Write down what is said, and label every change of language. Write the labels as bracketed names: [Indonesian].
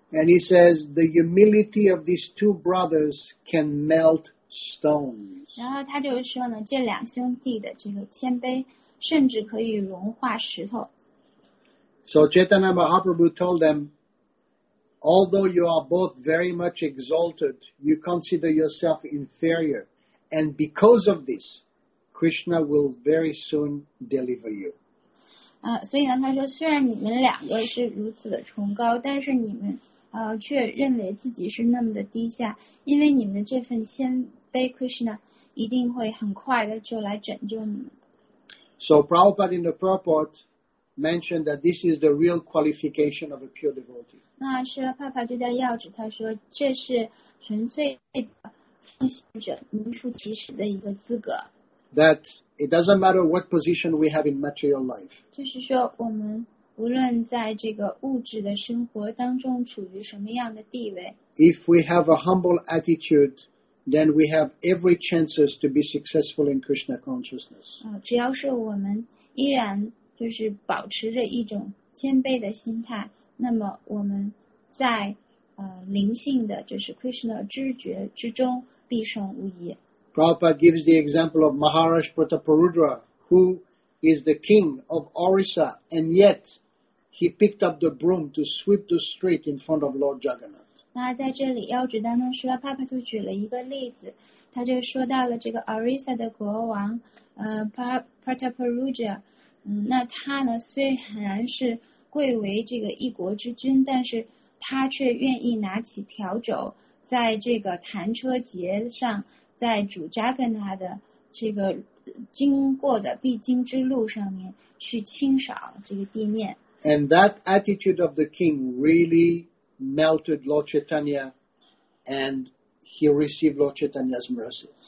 [English] And he says the humility of these two brothers can melt stones. [Chinese] 然后他就说呢，这两兄弟的这个谦卑甚至可以融化石头。 [English] So Chaitanya Mahaprabhu told them, although you are both very much exalted, you consider yourself inferior. And because of this, Krishna will very soon deliver you. [Chinese] 所以呢，他说，虽然你们两个是如此的崇高，但是你们却认为自己是那么的低下，因为你们的这份谦卑， Krishna 一定会很快的就来拯救你们。 [English] So Prabhupada in the purport,mentioned that this is the real qualification of a pure devotee. [Chinese] 那是爸爸就在要旨，他说这是纯粹的奉献者名副其实的一个资格。 [English] That it doesn't matter what position we have in material life. [Chinese] 就是说我们无论在这个物质的生活当中处于什么样的地位。 [English] If we have a humble attitude, then we have every chances to be successful in Krishna consciousness. [Chinese] 只要是我们依然就是保持着一种谦卑的心态，那么我们在灵性的就是 Krishna 知觉之中必胜无疑。 [English] Prabhupada gives the example of Maharaj Prataparudra, who is the king of Orissa, and yet he picked up the broom to sweep the street in front of Lord Jagannath. [Chinese] 那在这里要旨当中说，帕帕就举了一个例子，他就说到了这个 Orissa 的国王Prataparudra。那他呢虽然是贵为这个一国之君，但是他却愿意拿起笤帚在这个弹车节上，在主扎根他的这个经过的必经之路上面去清扫这个地面。 [English] And that attitude of the king really melted Lord Chaitanya, and he received Lord Chaitanya's mercy.